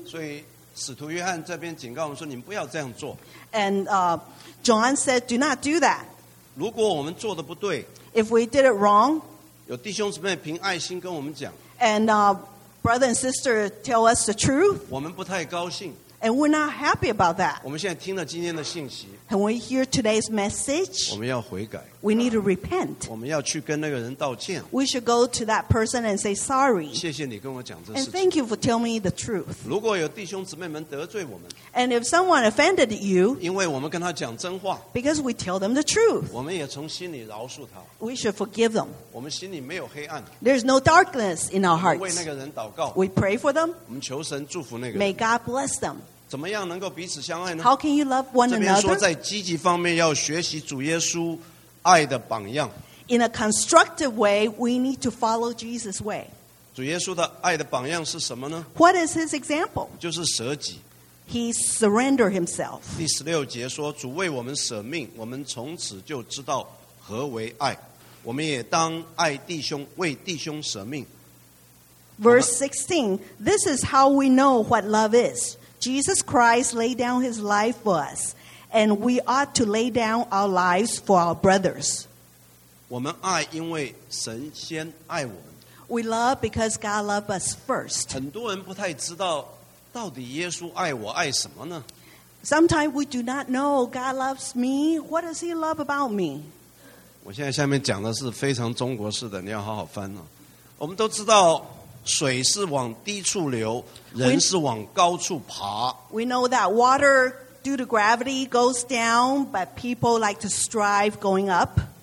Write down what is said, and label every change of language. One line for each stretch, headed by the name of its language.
Chinese: 所以使徒约翰这边警告我们说你们不要这样做。
English: And John said, do not do that.
Chinese: 如果我们做的不对。
English: If we did it wrong,
Chinese: 有弟兄姊妹凭爱心跟我们讲,
English: and brother and sister tell us the truth,
Chinese: 我们不太高兴,
English: and we're not happy about that.
Chinese: 我们现在听了今天的信息,
English: and we hear today's message,
Chinese: 我们要悔改,
English: we need to repent.
Chinese: 我们要去跟那个人道歉,
English: we should go to that person and say sorry.
Chinese: 谢谢你跟我讲这事
English: 情, and thank you for telling me the truth.
Chinese: 如果有弟兄姊妹们得罪我们,
English: and if someone offended you,
Chinese: 因为我们跟他讲真话,
English: because we tell them the truth,
Chinese: 我们也从心里饶恕他。
English: We should forgive them.
Chinese: 我们心里没有黑暗。
English: There's no darkness in our hearts.
Chinese: 为那个人祷告。
English: We pray for them.
Chinese: 我们求神祝福那个人。
English: May God bless them.
Chinese: 怎么样能够彼此相爱呢?
English: How can you love one another?
Chinese: 这边说在积极方面要学习主耶稣爱的榜样。
English: In a constructive way, we need to follow Jesus' way.
Chinese: 主耶稣的爱的榜样是什么呢?
English: What is his example?
Chinese: 就是舍己。
English: He surrendered himself.
Chinese: 第十六节说主为我们舍命我们从此就知道何为爱。我们也当爱弟兄，为弟兄舍命。
English: Verse 16, this is how we know what love is. Jesus Christ laid down his life for us, and we ought to lay down our lives for our brothers.
Chinese: 我们爱因为神先爱我们。
English: We love because God loved us first.
Chinese: 很多人不太知道到底耶稣爱我爱什么呢?
English: Sometimes we do not know God loves me. What does he love about me?
Chinese: 我现在下面讲的是非常中国式的，你要好好翻哦。我们都知道，水是往低处流，人是往高处爬。
English: We know that water, due to gravity, goes down, but people like to strive going up.